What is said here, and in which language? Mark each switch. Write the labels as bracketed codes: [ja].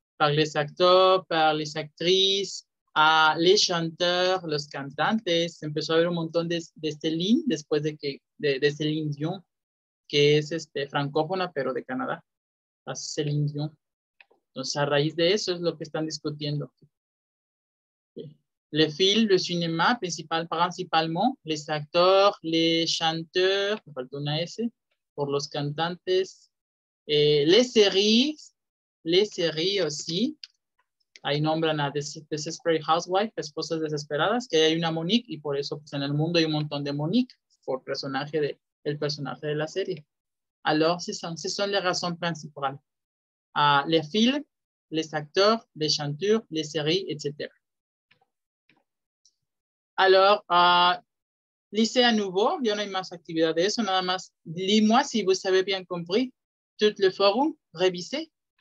[fr] Par les acteurs, par les actrices, les chanteurs, [es] los cantantes. Empezó a haber un montón de Céline, después de que, de Céline Dion, que es francófona, pero de Canadá. Céline Dion. Entonces, a raíz de eso es lo que están discutiendo. [fr] Les films, le cinéma, principalement, les acteurs, les chanteurs, [es] me falta una S, pour los cantantes, [fr] les séries aussi, [es] ahí nombran a Desperate Housewife, esposas desesperadas, que hay una Monique, y por eso pues, en el mundo hay un montón de Monique, por el personaje de la serie. [fr] Alors, ce sont les raisons principales. Les films, les acteurs, les chanteurs, les séries, etc. Alors, lisez à nouveau, il y en a une masse d'activités de ça, [es] nada más. [fr] Lis-moi si vous avez bien compris. Tout le forum, révisez.